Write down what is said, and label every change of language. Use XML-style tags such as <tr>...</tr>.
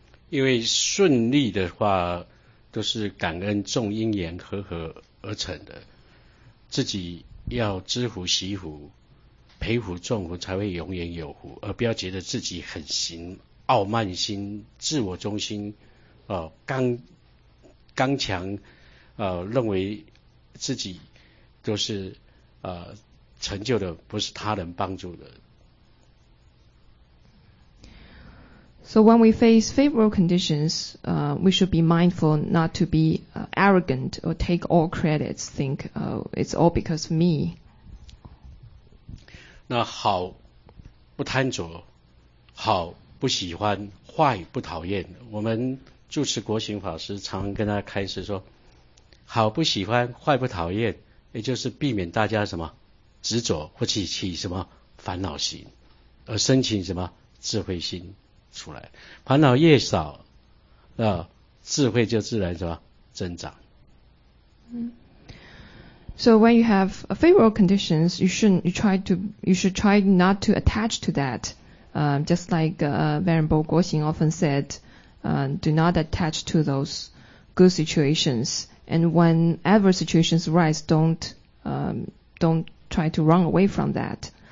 <zh>因为顺利的话都是感恩众因缘和合而成的，自己要知福惜福，培福众福，才会永远有福，而不要觉得自己很行傲慢心，自我中心，刚强，认为自己都是成就的，不是他人帮助的。</zh> <en>So when we face favorable conditions, we should be mindful not to be arrogant or take all credits, think it's all because of me.</en> <zh>那好不贪着，好不喜欢，坏不讨厌。我们住持国行法师常跟他开示说，好不喜欢，坏不讨厌，也就是避免大家什么执着或起什么烦恼心，而生起什么智慧心。出来，烦恼越少，智慧就自然什么增长。</zh> <en>So when you have favorable conditions, you should try not to attach to that. Just like Venerable Guoxing often said, do not attach to those good situations. And when adverse situations arise, don't try to run away from that.</en>